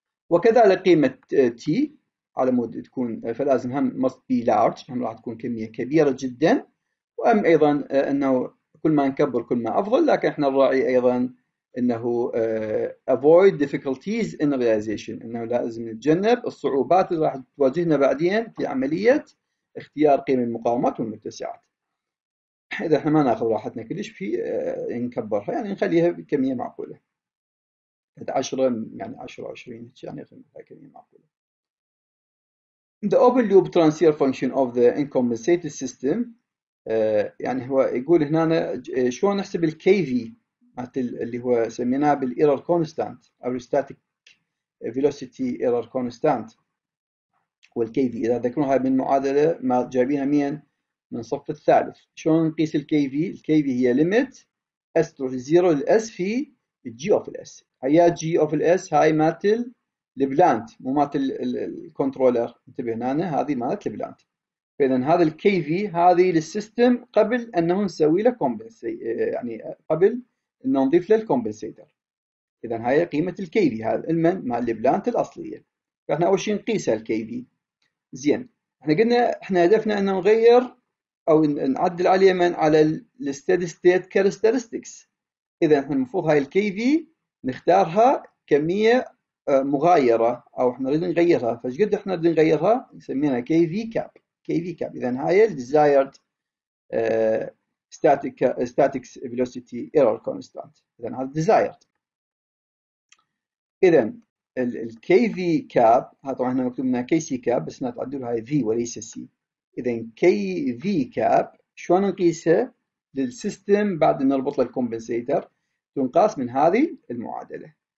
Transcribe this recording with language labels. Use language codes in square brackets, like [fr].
[ar] وكذلك قيمة t على مود تكون، فلازم هم [en] must be large، [ar] هم راح تكون كمية كبيرة جدا، وأم أيضا أنه كل ما نكبر كل ما أفضل، لكن إحنا نراعي أيضا أنه [en] avoid difficulties in realization، [ar] أنه لازم نتجنب الصعوبات اللي راح تواجهنا بعدين في عملية اختيار قيم المقاومات والمتسعات. إذا احنا ما ناخذ راحتنا كلش في نكبرها، يعني نخليها بكمية معقولة 10، يعني 10 20، يعني نخليها كمية معقولة. [en] The open loop transfer function of the uncompensated system، [ar] يعني هو يقول هنا شلون نحسب ال KV اللي هو سميناه بال error constant أو [en] static velocity error constant. [ar] وال KV إذا ذكرناها من معادلة ما جايبينها مين؟ من الصف الثالث. شلون نقيس ال KV؟ ال KV هي limit S تروح 0 ل S في G of S. هيا G of S هاي مالت البلانت مو مالت الكنترولر، انتبه هنا هذه مالت البلانت. فاذا هذا الكي في هذه للسيستم قبل انه نسوي له كومبنسي، يعني قبل انه نضيف له الكومبنسيتر. اذا هاي قيمه الكي في هذا المن مع البلانت الاصليه. فاحنا اول شيء نقيسها الكي في. زين احنا قلنا احنا هدفنا انه نغير او نعدل عليه من على الستيدي ستيت كاركترستكس. اذا احنا المفروض هاي الكي في نختارها كميه مغايره او احنا نريد نغيرها، فايش قد احنا نريد نغيرها؟ نسميها كي في كاب. [en] KV-cap. [ar] إذن هاي الـ [en] desired static velocity error constant. [ar] إذن هذا desired. إذن الـ KV-cap هذا طبعا احنا مكتوب منها KC-cap بس نتعدلها V وليس C. إذن KV-cap شلون نقيسها للسيستم بعد ما نربط له الكومبنسيتر؟ تنقاس من هذه المعادلة.